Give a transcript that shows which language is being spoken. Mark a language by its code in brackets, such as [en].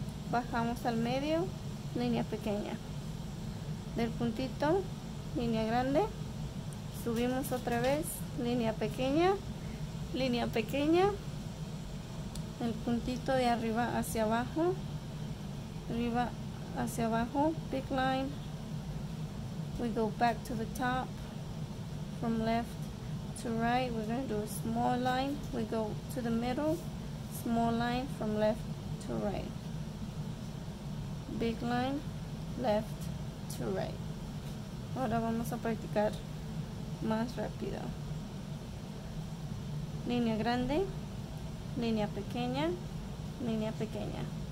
[es] Bajamos al medio. Línea pequeña. Del puntito, línea grande. Subimos otra vez. Línea pequeña. Línea pequeña. El puntito de arriba hacia abajo. Arriba hacia abajo, [en] big line. We go back to the top, from left to right. We're going to do a small line. We go to the middle, small line, from left to right. Big line, left to right. [es] Ahora vamos a practicar más rápido. Línea grande, línea pequeña, línea pequeña.